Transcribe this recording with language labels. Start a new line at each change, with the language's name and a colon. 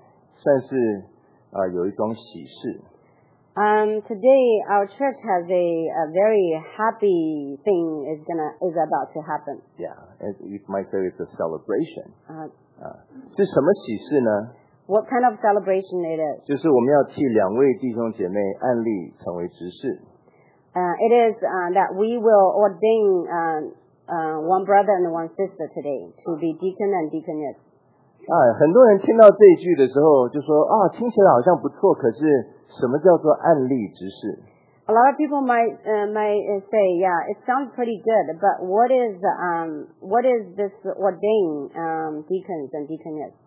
Chinese: 今天我们教会算是有一桩喜事。
English: Today our church has a very happy thing is about to happen. Yeah, you might say it's a celebration.
Chinese: 是什么喜事呢?
English: What kind of celebration it is?
Chinese: 就是我们要替两位弟兄姐妹安立成为执事。
English: It is that we will ordain one brother and one sister today to be deacon and deaconess.
Chinese: 很多人听到这一句的时候就说，听起来好像不错，可是。什么叫做案例执事?
English: A lot of people might say, yeah, it sounds pretty good, but what is this ordained deacons and deaconess?